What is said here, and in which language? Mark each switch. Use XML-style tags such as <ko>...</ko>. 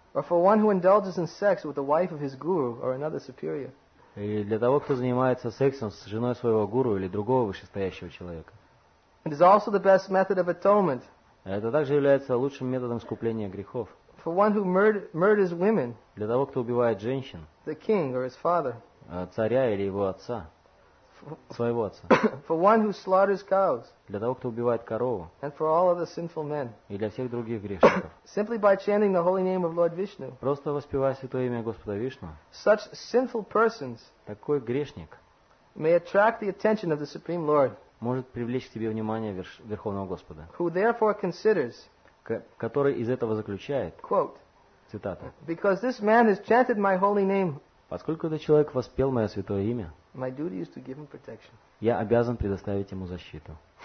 <en>Or for one who indulges in sex with the wife of his guru or another superior.</en> <ru>И для того, кто занимается сексом с женой своего гуру или другого вышестоящего человека.</ru> <en>It is also the best method of atonement.</en> <ru>Это также является лучшим методом искупления грехов.</ru> <en>For one who murders women.</en> <ru>Для того, кто убивает женщин.</ru> <en>The king or his father.</en> <ru>Царя или его отца. Своего отца.</ru> <en>For one who slaughters cows.</en> <ru>Для того, кто убивает корову.</ru> <en>And for all other sinful men.</en> <ru>И для всех других грешников.</ru> <en>Simply by chanting the holy name of Lord Vishnu.</en> <ru>Просто воспевая святое имя Господа Вишну.</ru> <en>Such sinful persons.</en> <ru>Такой грешник.</ru> <en>May attract the attention of the Supreme Lord.</en> <ru>Может привлечь к себе внимание Верховного Господа.</ru> <en>Who therefore considers.</en> <ru>Который из этого заключает.</ru> <en>Quote.</en> <ru>Цитата.</ru> <en>Because this man has chanted my holy name.</en> <ru>Поскольку этот человек воспел мое святое имя.</ru> <en>My duty is to give him protection.</en> <ru>Я обязан предоставить ему защиту.</ru>